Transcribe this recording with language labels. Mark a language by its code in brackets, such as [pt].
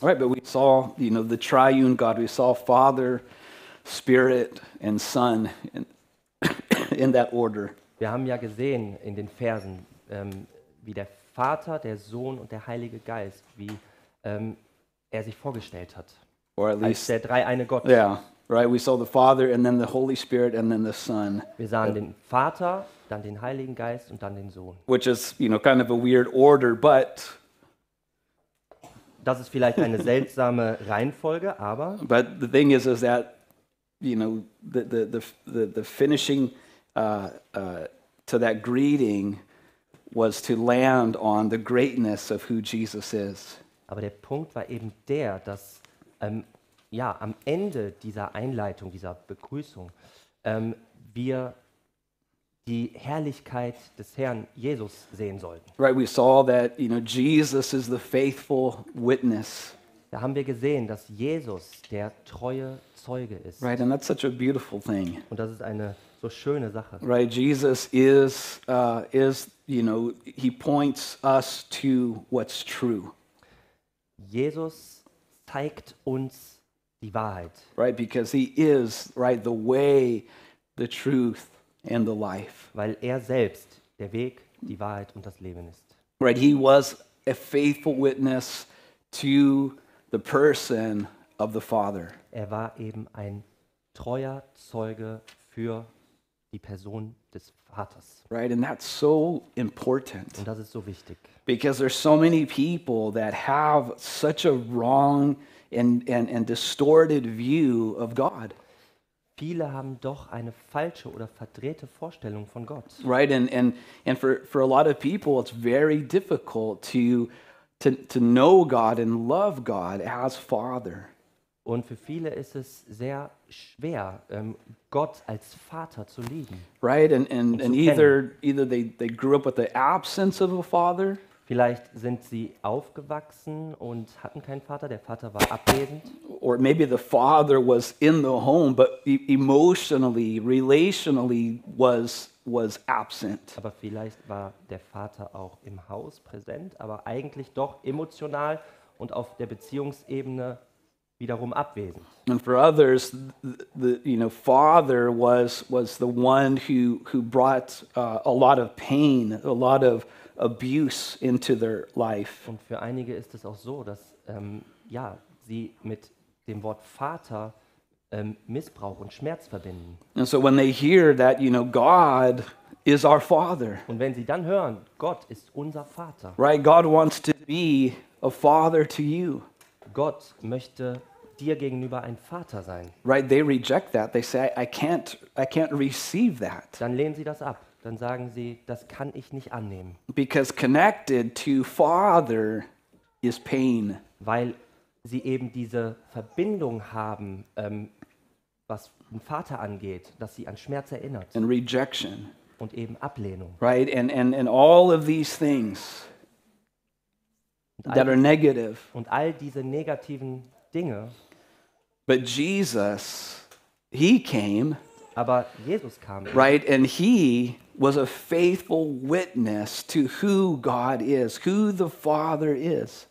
[en] Right, but we saw, you know, the triune God. We saw Father, Spirit and Son in that order. [de] Wir haben ja gesehen in den Versen, wie der Vater, der Sohn und der Heilige Geist, wie er sich vorgestellt hat. [en] Or at least, [de] als der dreieine Gott. [en] Yeah. Right, we saw the Father and then the Holy Spirit and then the Son. [de] Wir sahen den Vater, dann den Heiligen Geist und dann den Sohn. [en] Which is, you know, kind of a weird order, but [de] das ist vielleicht eine seltsame Reihenfolge, aber [en] but the thing is that, you know, the finishing to that greeting was to land on the greatness of who Jesus is. [de] Aber der Punkt war eben der, dass ja, am Ende dieser Einleitung, dieser Begrüßung, wir die Herrlichkeit des Herrn Jesus sehen sollten. [en] Right, we saw that, you know, Jesus is the faithful witness. [de] Da haben wir gesehen, dass Jesus der treue Zeuge ist. [en] Right, and that's such a beautiful thing. [de] Und das ist eine so schöne Sache. [en] Right, Jesus is, you know, he points us to what's true. [de] Jesus zeigt uns die Wahrheit. [en] Right, because he is, right, the way, the truth and the life. [de] Weil er selbst der Weg, die Wahrheit und das Leben ist. [en] Right, he was a faithful witness to the person of the Father. [de] Er war eben ein treuer Zeuge für die Person des Vaters. [en] Right, and that's so important. [de] Und das ist so wichtig. [en] Because there's so many people that have such a wrong and distorted view of God. [de] Viele haben doch eine falsche oder verdrehte Vorstellung von Gott. [en] Right, and for a lot of people it's very difficult to know God and love God as Father. [de] Und für viele ist es sehr schwer, Gott als Vater zu lieben. [en] Right, and either they grew up with the absence of a father. [de] Vielleicht sind sie aufgewachsen und hatten keinen Vater, der Vater war abwesend. [en] Or maybe the father was in the home, but emotionally, relationally was absent. [de] Aber vielleicht war der Vater auch im Haus präsent, aber eigentlich doch emotional und auf der Beziehungsebene wiederum abwesend. [en] And for others, the you know, father was the one who brought a lot of pain, a lot of abuse into their life. [de] Und für einige ist es auch so, dass ja, sie mit dem Wort Vater Missbrauch und Schmerz verbinden. [en] And so when they hear that, you know, God is our father. [de] Und wenn sie dann hören, Gott ist unser Vater. [en] Right, God wants to be a father to you. [de] Gott möchte dir gegenüber ein Vater sein. [en] Right, they reject that. They say I can't receive that. [de] Dann lehnen sie das ab. Dann sagen sie, das kann ich nicht annehmen. [en] Because connected to Father is pain. [de] Weil sie eben diese Verbindung haben, was den Vater angeht, dass sie an Schmerz erinnert. [en] And rejection. [de] Und eben Ablehnung. [en] Right, and all of these things that are negative. [de] Und all diese negativen Dinge. [en] But Jesus, he came. [de] Aber Jesus kam. [en] Right, and he was a faithful witness to who God is, who the Father is.